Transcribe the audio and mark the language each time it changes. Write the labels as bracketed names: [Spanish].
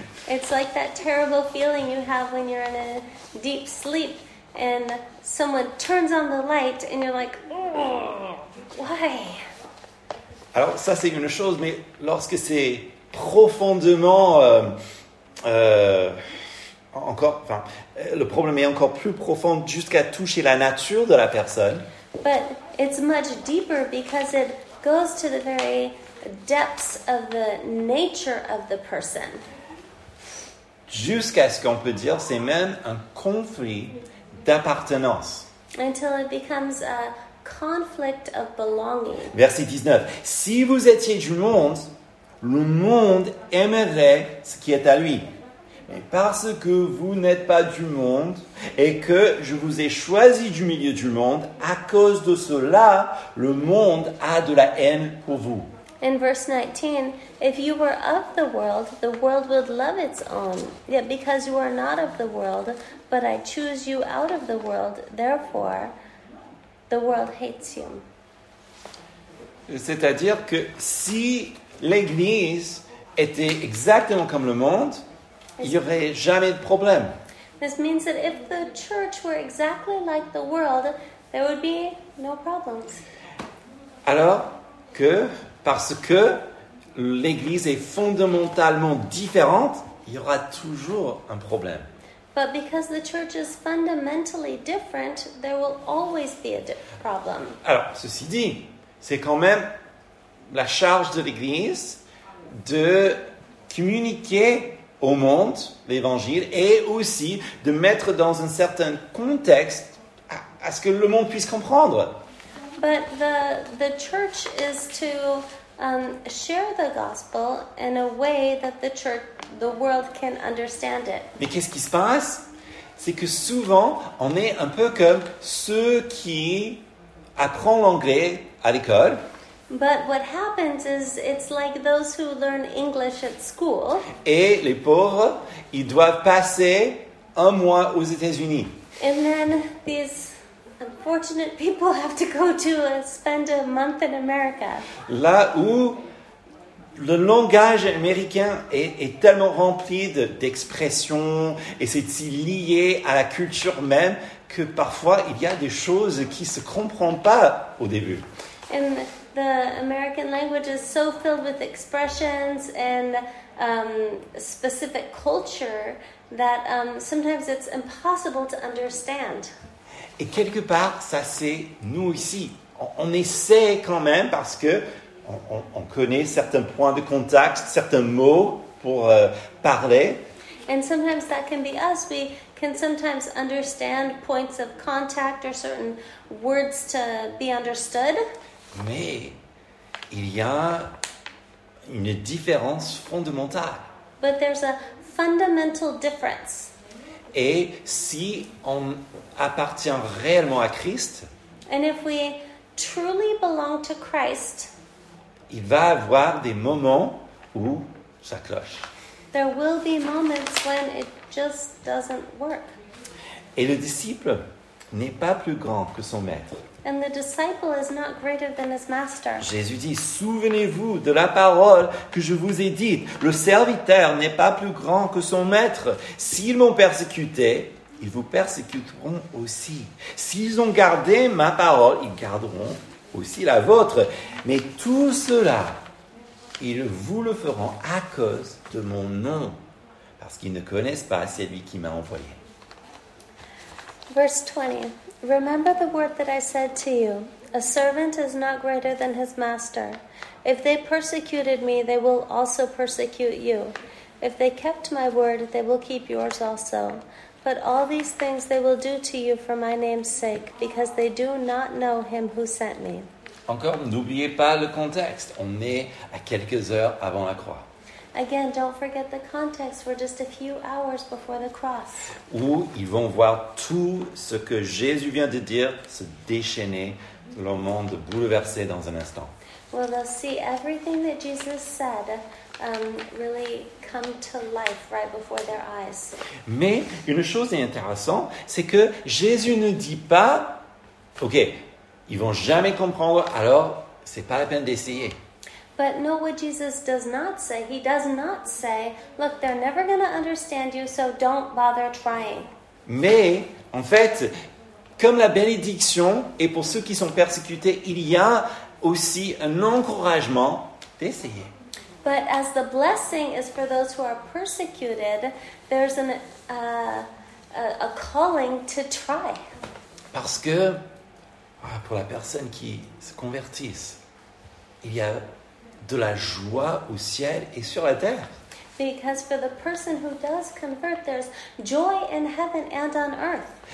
[English] It's like that terrible feeling you have when you're in a deep sleep and someone turns on the light and you're like, oh, why? [French] Alors ça c'est une chose, mais lorsque c'est profondément le problème est encore plus profond jusqu'à toucher la nature de la personne. [English] But it's much deeper because it goes to the very depths of the nature of the person. [French] Jusqu'à ce qu'on peut dire c'est même un conflit d'appartenance. [English] Until it becomes a conflict of belonging. [French] Verset 19. Si vous étiez du monde, le monde aimerait ce qui est à lui. Mais parce que vous n'êtes pas du monde et que je vous ai choisi du milieu du monde, à cause de cela, le monde a de la haine pour vous. [English] In verse 19, if you were of the world would love its own. Yet because you are not of the world, but I choose you out of the world, therefore the world hates you. [French] C'est-à-dire que si l'Église était exactement comme le monde, il n'y aurait jamais de problème. [English] This means that if the church were exactly like the world, there would be no problems. [French] Alors que... Parce que l'Église est fondamentalement différente, il y aura toujours un problème. [English] But because the church is fundamentally different, there will always be a problem. [French] Alors, ceci dit, c'est quand même la charge de l'Église de communiquer au monde l'Évangile et aussi de mettre dans un certain contexte à ce que le monde puisse comprendre. [English] But the church is to share the gospel in a way that the world can understand it. [French] Mais qu'est-ce qui se passe? C'est que souvent, on est un peu comme ceux qui apprennent l'anglais à l'école. [English] But what happens is it's like those who learn English at school. [French] Et les pauvres, ils doivent passer un mois aux États-Unis. [English] And then these unfortunate people have to go to spend a month in America. [French] Là où le langage américain est tellement rempli d'expressions et c'est si lié à la culture même que parfois il y a des choses qui se comprennent pas au début. [English] And the American language is so filled with expressions and specific culture that sometimes it's impossible to understand. [French] Et quelque part, ça c'est nous ici. On essaie quand même parce qu'on connaît certains points de contact, certains mots pour parler. [English] And sometimes that can be us. We can sometimes understand points of contact or certain words to be understood. [French] Mais il y a une différence fondamentale. [English] But there's a fundamental difference. [French] Et si on appartient réellement à Christ, [English] and if we truly belong to Christ, [French] il va y avoir des moments où ça cloche. [English] There will be moments when it just doesn't work. [French] Et le disciple n'est pas plus grand que son maître. [English] And the disciple is not greater than his master. [French] Jésus dit, souvenez-vous de la parole que je vous ai dite. Le serviteur n'est pas plus grand que son maître. S'ils m'ont persécuté, ils vous persécuteront aussi. S'ils ont gardé ma parole, ils garderont aussi la vôtre. Mais tout cela, ils vous le feront à cause de mon nom, parce qu'ils ne connaissent pas celui qui m'a envoyé. [English] Verse 20. Remember the word that I said to you, a servant is not greater than his master. If they persecuted me, they will also persecute you. If they kept my word, they will keep yours also. But all these things they will do to you for my name's sake, because they do not know him who sent me. [French] Encore, n'oubliez pas le contexte. On est à quelques heures avant la croix. [English] Again, don't forget the context. We're just a few hours before the cross. [French] Où ils vont voir tout ce que Jésus vient de dire se déchaîner, le monde bouleversé dans un instant. [English] Well, they'll see everything that Jesus said really come to life right before their eyes. [French] Mais une chose est intéressante, c'est que Jésus ne dit pas, OK, ils vont jamais comprendre, alors c'est pas la peine d'essayer. [English] But no, what Jesus does not say, he does not say, look, they're never going to understand you, so don't bother trying. [French] Mais, en fait, comme la bénédiction est pour ceux qui sont persécutés, il y a aussi un encouragement d'essayer. [English] But as the blessing is for those who are persecuted, there's a calling to try. [French] Parce que, pour la personne qui se convertisse, il y a de la joie au ciel et sur la terre. [English] Because for the person who does convert, there's joy in heaven and on earth.